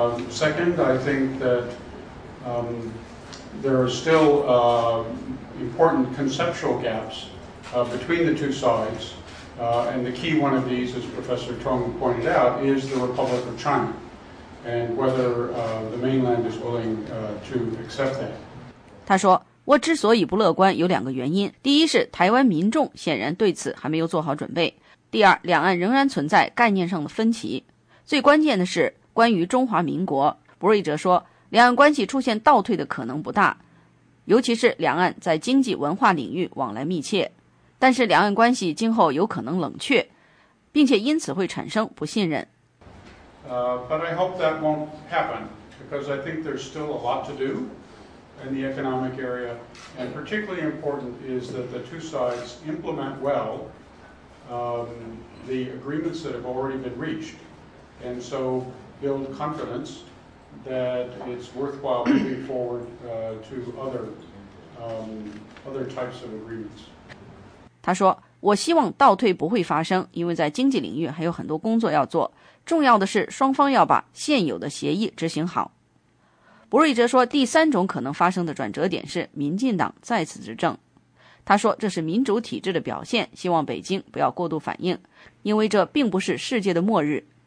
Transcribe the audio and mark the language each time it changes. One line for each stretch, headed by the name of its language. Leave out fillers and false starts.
English: Second, I think that there are still important conceptual gaps between the two sides, and the key one of these, as Professor Tong pointed out, is the Republic of China, and whether the mainland is willing to accept that.
Chinese: 他说，我之所以不乐观有两个原因，第一是台湾民众显然对此还没有做好准备，第二，两岸仍然存在概念上的分歧。最关键的是关于中华民国，伯瑞哲说，两岸关系出现倒退的可能不大，尤其是两岸在经济文化领域往来密切，但是两岸关系今后有可能冷却，并且因此会产生不信任。
English: But I hope that won't happen, because I think there's still a lot to do in the economic area, and particularly important is that the two sides implement well the agreements that have already been reached. And so build confidence that it's worthwhile moving forward to other types of agreements.
Chinese: 他说，我希望倒退不会发生，因为在经济领域还有很多工作要做，重要的是双方要把现有的协议执行好。伯瑞哲说，第三种可能发生的转折点是民进党再次执政。他说，这是民主体制的表现，希望北京不要过度反应，因为这并不是世界的末日。